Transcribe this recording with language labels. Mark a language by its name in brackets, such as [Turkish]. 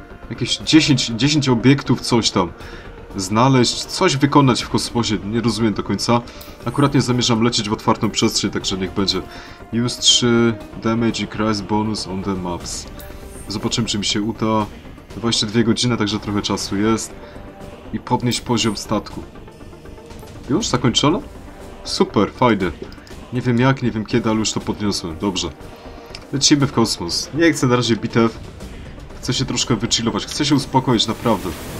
[Polish] Jakieś 10 obiektów, coś tam. znaleźć, coś wykonać w kosmosie, nie rozumiem do końca. Akurat nie zamierzam lecieć w otwartą przestrzeń, także niech będzie. [English] Use 3 damage increase bonus on the maps. [Polish] Zobaczymy, czy mi się uda. 22 godziny, także trochę czasu jest. I podnieść poziom statku. Już? Zakończono? Super, fajnie. Nie wiem jak, nie wiem kiedy, ale już to podniosłem. Dobrze. Lecimy w kosmos. Nie chcę na razie bitew. Chcę się troszkę wychillować. Chcę się uspokoić, naprawdę.